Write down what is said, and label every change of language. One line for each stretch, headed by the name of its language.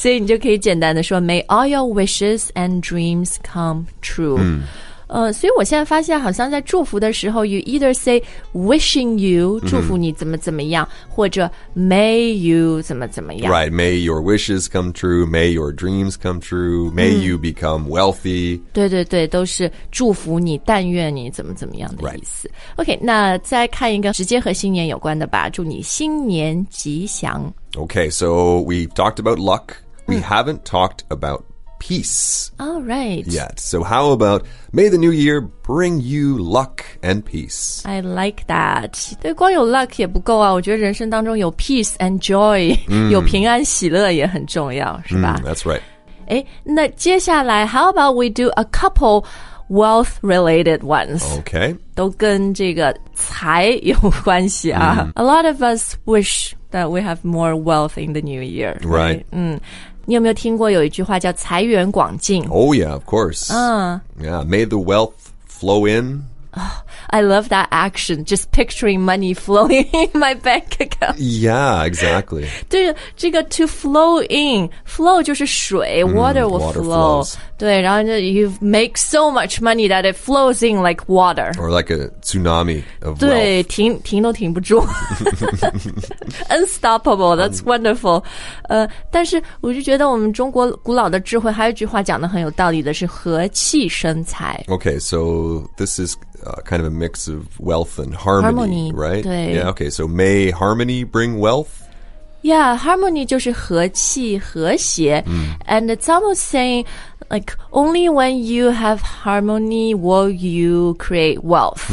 Chinese: 所以你就可以简单的说
English: may all your wishes and dreams come true.
Chinese: 所以我现在发现好像在祝福的时候
English: you either say wishing you,
Chinese: 祝福你怎么怎么样、mm-hmm. 或者
English: may you
Chinese: 怎么怎么样。
English: Right, may your wishes come true, may your dreams come true, may、mm. you become wealthy.
Chinese: 对对对，都是祝福你，但愿你怎么怎么样的意思。
English: Right.
Chinese: OK, 那再看一个直接和新年有关的吧，祝你新年吉祥。
English: OK, so we've talked about luck. We、mm. haven't talked about peace. All right. Yet. So how about may the new year bring you luck and peace? I like that.
Chinese: 对，光有 luck 也不够啊，我觉得人生当中有
English: peace and joy、
Chinese: mm. 有平安喜乐也很重要，是吧、
English: mm, That's right. 诶，
Chinese: 那接下来
English: how about we do a couple wealth related ones? Okay.
Chinese: 都跟这个财有关系啊、mm.
English: A lot of us wish that we have more wealth in the new year. Right.
Chinese: 嗯，你有没有听过有一句话叫财源广进
English: Oh yeah, of course. Yeah, may the wealth flow in.、 I love that action, just picturing money flowing in my bank account. Yeah, exactly.
Chinese: 对，这个 to flow in, flow 就是水
English: water will water flow.、 Flows.
Chinese: 对，然后就
English: you make so much money that it flows in like water. Or like a tsunami of
Chinese: 对
English: wealth.
Chinese: 对，停都停不住。
English: Unstoppable, that's wonderful.
Chinese: 但是我就觉得我们中国古老的智慧还有一句话讲得很有道理的是和气生财。
English: Okay, so this is... kind of a mix of wealth and harmony, right?
Chinese: 对
English: yeah, okay, so may harmony bring wealth? Yeah,
Chinese: harmony 就是和气和谐、mm.
English: And it's almost saying like only when you have harmony will you create wealth、